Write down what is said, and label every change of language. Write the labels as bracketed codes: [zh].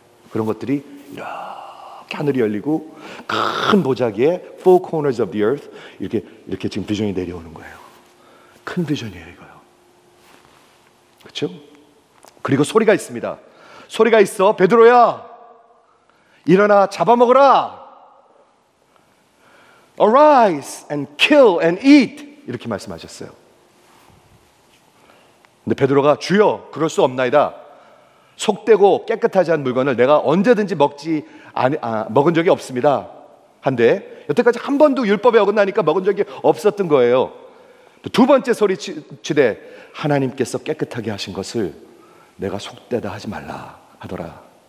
[ko] 그런 것들이 이렇게 하늘이 열리고 큰 보자기에 [en] four corners of the earth, [ko] 이렇게 지금 비전이 내려오는 거예요. 큰 비전이에요, 이거요. 그렇죠? 그리고 소리가 있습니다. 소리가 있어. 베드로야, 일어나 잡아먹어라. [en] Arise and kill and eat. [ko] 이렇게 말씀하셨어요. 근데 베드로가 주여 그럴 수 없나이다. 속되고 깨끗하지 않은 물건을 내가 언제든지 먹은 적이 없습니다. 한데 여태까지 한 번도 율법에 어긋나니까 먹은 적이 없었던 거예요. 두 번째 소리치되 하나님께서 깨끗하게 하신 것을 내가 속되다 하지 말라 하더라.